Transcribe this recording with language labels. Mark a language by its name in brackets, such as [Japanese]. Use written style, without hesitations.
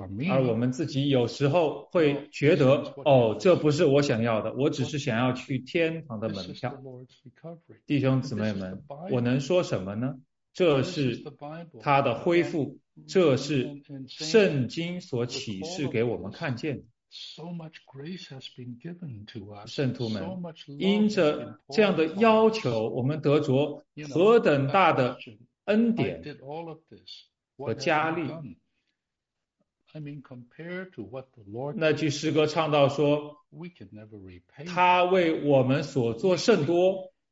[Chinese] 而我们自己有时候会觉得，哦，这不是我想要的，我只是想要去天堂的门票。弟兄姊妹们，我能说什么呢？这是他的恢复，这是圣经所启示给我们看见的。 [English] So much grace has been given to us. [Chinese] 圣徒们, [English] so much love [Chinese] 因着这样的要求, 我们得着, [English] you know, [Chinese] 何等大的恩典, [English] I did all of this. What have you done? I mean, compared to what the Lord [Chinese] 那句诗歌唱道说, [English] we can never repay. [Chinese] 他为我们所做甚多,